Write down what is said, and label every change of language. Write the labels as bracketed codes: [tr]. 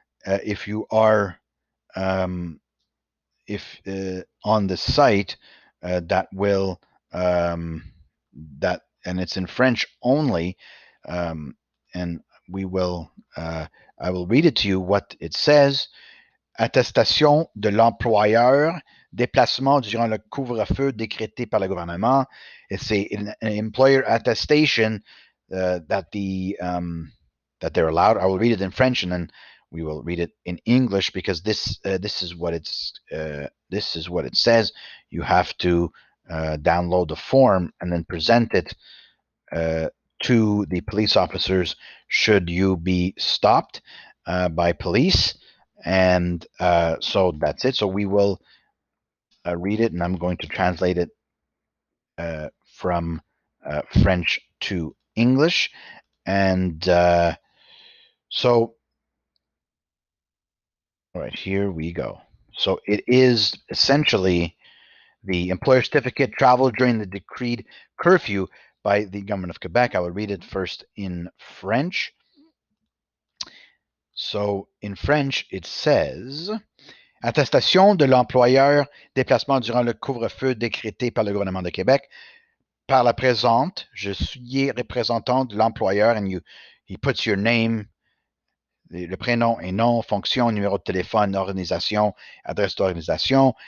[en] If you are on the site and it's in French only, and I will read it to you what it says. [fr] Attestation de l'employeur, déplacement durant le couvre-feu décrété par le gouvernement. [en] It's an employer attestation that they're allowed. I will read it in French and then we will read it in English because this is what it says. You have to download the form and then present it to the police officers should you be stopped by police. And so that's it. So we will read it and I'm going to translate it from French to English. And so right here we go. So it is essentially the employer certificate traveled during the decreed curfew by the government of Quebec. I will read it first in French. So in French, it says, [fr] attestation de l'employeur déplacement durant le couvre-feu décrété par le gouvernement de Québec. Par la présente, je suis représentant de l'employeur, [en] and he puts your name, [fr] le prénom et nom, fonction, numéro de téléphone, organisation, adresse d'organisation.